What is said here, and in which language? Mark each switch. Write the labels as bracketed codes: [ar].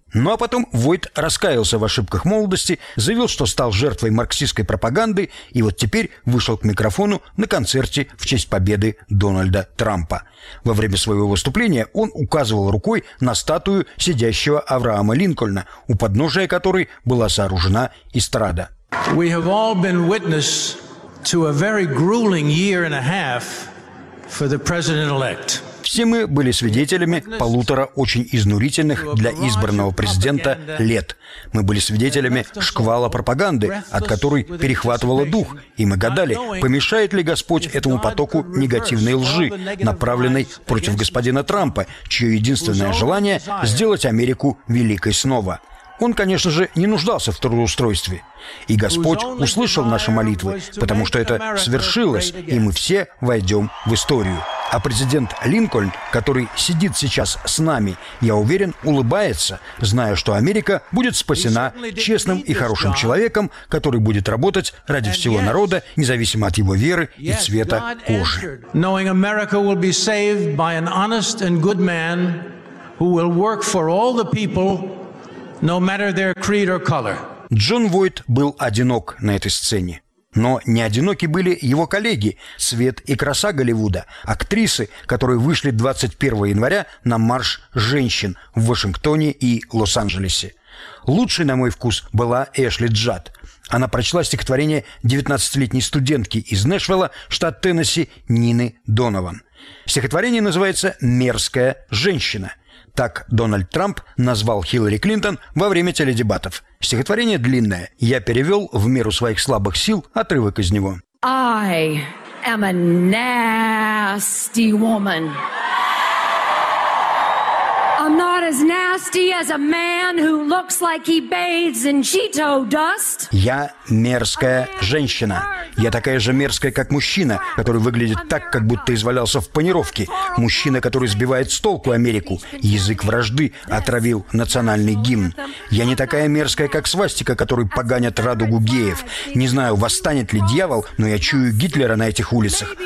[ru] Ну а потом Войт раскаялся в ошибках молодости, заявил, что стал жертвой марксистской пропаганды и вот теперь вышел к микрофону на концерте в честь победы Дональда Трампа. Во время своего выступления он указывал рукой на статую сидящего Авраама Линкольна, у подножия которой была сооружена эстрада. [en] We have all been witness to a very grueling year and a half for the president-elect. [ru] Все мы были свидетелями полутора очень изнурительных для избранного президента лет. Мы были свидетелями шквала пропаганды, от которой перехватывало дух, и мы гадали, помешает ли Господь этому потоку негативной лжи, направленной против господина Трампа, чье единственное желание – сделать Америку великой снова. Он, конечно же, не нуждался в трудоустройстве. И Господь услышал наши молитвы, потому что это свершилось, и мы все войдем в историю. А президент Линкольн, который сидит сейчас с нами, я уверен, улыбается, зная, что Америка будет спасена честным и хорошим человеком, который будет работать ради всего народа, независимо от его веры и цвета кожи. [en] Knowing America will be saved by an honest and good man who will work for all the people, no matter their creed or color. [ru] Джон Войт был одинок на этой сцене. Но не одиноки были его коллеги, свет и краса Голливуда, актрисы, которые вышли 21 января на марш женщин в Вашингтоне и Лос-Анджелесе. Лучшей, на мой вкус, была Эшли Джад. Она прочла стихотворение 19-летней студентки из Нэшвилла, штат Теннесси, Нины Донован. Стихотворение называется «Мерзкая женщина». Так Дональд Трамп назвал Хиллари Клинтон во время теледебатов. Стихотворение длинное. Я перевел в меру своих слабых сил отрывок из него. [en] I am a nasty woman. I'm not as nasty as a man who looks like he bathes in Cheeto dust. [ru] Я мерзкая женщина. Я такая же мерзкая, как мужчина, который выглядит так, как будто извалялся в панировке. Мужчина, который сбивает с толку Америку. Язык вражды отравил национальный гимн. Я не такая мерзкая, как свастика, которой поганят радугу геев. Не знаю, восстанет ли дьявол, но я чую Гитлера на этих улицах.